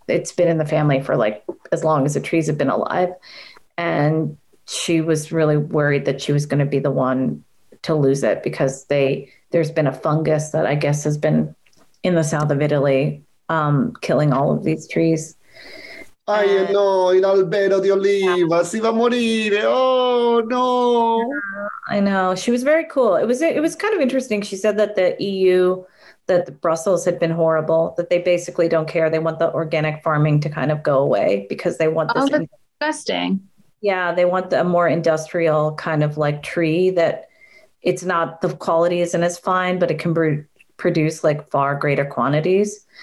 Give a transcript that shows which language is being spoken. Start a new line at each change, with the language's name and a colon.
English: It's been in the family for like as long as the trees have been alive, and she was really worried that she was going to be the one to lose it because there's been a fungus that I guess has been in the south of Italy, killing all of these trees.
Italian: Ay, no, in albero di oliva, si va a morire.
English: Oh no! I know. She was very cool. It was kind of interesting. She said that the EU, that the Brussels had been horrible. That they basically don't care. They want the organic farming to kind of go away because they want this. Oh, that's disgusting. Yeah, they want a more industrial kind of like tree that it's not, the quality isn't as fine, but it can produce like far greater quantities.